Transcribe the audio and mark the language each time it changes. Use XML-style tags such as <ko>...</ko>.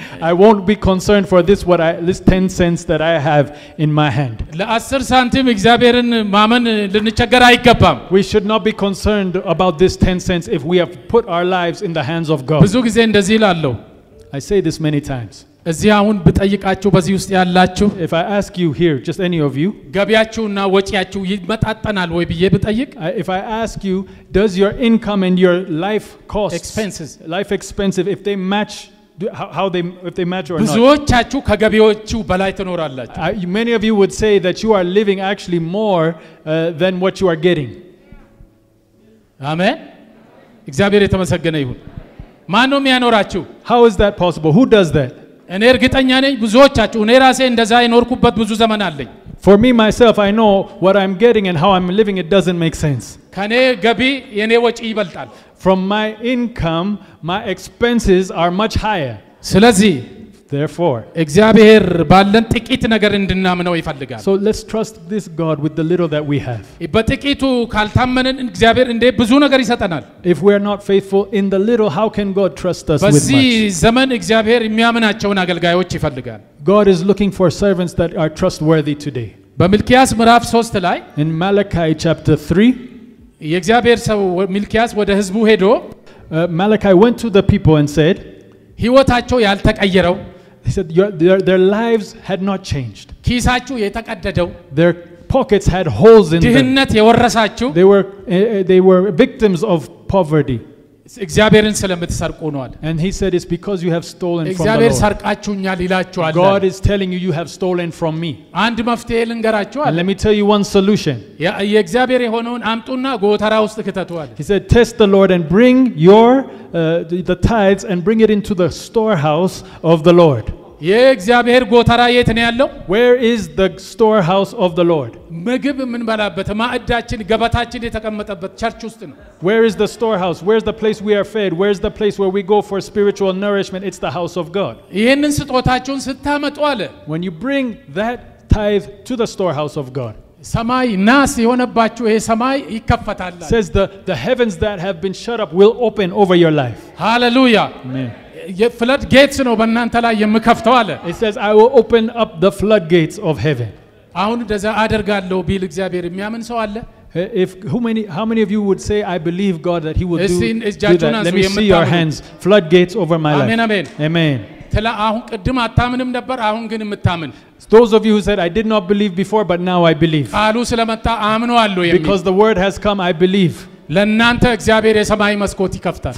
<en>I won't be concerned for this what I this 10 cents that I have in my hand.</en> <am>ለአስር ሳንቲም እግዚአብሔርን ማመን ልንቸገር አይገባም.</am> <en>We should not be concerned about this 10 cents if we have put our lives in the hands of God.</en> <am>ብዙ ጊዜ እንደዚህ ላለው.</am> <en>I say this many times.</en> <am>እዚያውን ብጠይቃችሁ በዚህ ውስጥ ያላችሁ.</am> <en>If I ask you here, just any of you,</en> <am>ገቢያችሁና ወጪያችሁ ይመጣጠናል ወይ ብዬ ብጠይቅ.</am> <en>If I ask you, does your income and your life costs, expenses, life expenses, if they match, how they, if they match or not.</en> <am>ብዙዎቻችሁ ከገቢዎቻችሁ በላይ ትኖራላችሁ.</am> <en>Many of you would say that you are living actually more than what you are getting.</en> <am>Amen. እግዚአብሔር የተመሰገነ ይሁን. ማነው የሚያኖራችሁ?</am> <en>How is that possible? Who does that?</en> <am>እኔ እርግጠኛ ነኝ ብዙዎቻችሁ እኔ ራሴ እንደዛ የኖርኩበት ብዙ ዘመን አለኝ.</am> <en>For me myself, I know what I'm getting and how I'm living, it doesn't make sense.</en> <am>ከኔ ገቢ የኔ ወጪ ይበልጣል.</am> <en>From my income, my expenses are much higher.</en> <am>ስለዚህ</am> <en>therefore,</en> <am>እግዚአብሔር ባለን ጥቂት ነገር እንድናምነው ይፈልጋል.</am> <en>So let's trust this God with the little that we have.</en> <am>በጥቂቱ ካልታመንን እግዚአብሔር እንዴ ብዙ ነገር ይሰጠናል?</am> <en>If we are not faithful in the little, how can God trust us with much?</en> <am>በዚህ ዘመን እግዚአብሔር የሚያምናቸውን አገልጋዮች ይፈልጋል.</am> <en>God is looking for servants that are trustworthy today.</en> <am>በሚልኪያስ ምዕራፍ 3 ላይ.</am> <en>In Malachi chapter 3,</en> <am>የእግዚአብሔር ሰው ሚልኪያስ ወደ ህዝቡ ሄዶ.</am> <en>Malachi went to the people and said,</en> <am>ህይወታቸው ያልተቀየረው.</am> <en>He said their lives had not changed.</en> <am>ኪሳቸው የተቀደደው.</am> <en>Their pockets had holes in them.</en> <am>ድህነት የወረሳቸው.</am> <en>They were victims of poverty.</en> <am>እግዚአብሔርን ስለምትሰርቁ ነው.</am> <en>And he said it's because you have stolen from the Lord.</en> <am>እግዚአብሔር ሰርቃችሁኛል ይላችኋል.</am> <en>God is telling you have stolen from me.</en> <am>አንድ መፍትሄ ልንገራችኋል.</am> <en>Let me tell you one solution.</en> <am>የእግዚአብሔር የሆነውን አምጡና ጎተራ ውስጥ ከተቷል.</am> <en>He said test the Lord and bring your the tithes and bring it into the storehouse of the Lord.</en> <am>የእግዚአብሔር ጎተራ የት ነው ያለው?</am> <en>Where is the storehouse of the Lord?</en> <am>ምግብ ምን ባላበት ማዕዳችን ገበታችን የተቀመጠበት ቸርች ውስጥ ነው.</am> <en>Where is the storehouse? Where's the place we are fed? Where's the place where we go for spiritual nourishment? It's the house of God.</en> <am>ይሄንን ስጦታችሁን ስታመጡ አለ.</am> <en>When you bring that tithe to the storehouse of God.</en> <am>ሰማይ ናስ የሆነባችሁ ይሄ ሰማይ ይከፈታል.</am> <en>Says the heavens that have been shut up will open over your life. Hallelujah. Amen.</en> <am>የፍለድ ጌትስ ነው በእናንተ ላይ የምከፍተው አለ.</am> <en>It says I will open up the flood gates of heaven.</en> <am>አሁን ደዛ አደርጋለሁ ቢል እግዚአብሔር የሚያምን ሰው አለ?</am> <en>If how many of you would say I believe God that he will do that? Let me see your hands. Flood gates over my life. Amen, amen. Amen.</en> <am>ተላ አሁን ቀድም አታምንም ነበር አሁን ግን የምታምን.</am> <en>Those of you who said I did not believe before but now I believe.</en> <am>አሉ ስለመጣ አምኑ አለ የሚል.</am> <en>Because the word has come I believe.</en> <am>ለናንተ እግዚአብሔር የሰማይ መስኮት ይከፍታል.</am>